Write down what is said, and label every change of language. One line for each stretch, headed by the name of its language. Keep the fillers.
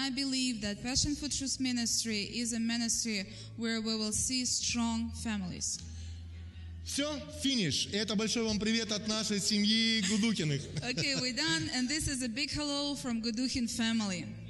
English: I believe that Passion for Truth Ministry is a ministry where we will see strong families.
Russian: Все, финиш. Это большой вам привет от нашей семьи Гудукиных.
English: Окей, okay, we done, and this is a big hello from Gudukin family.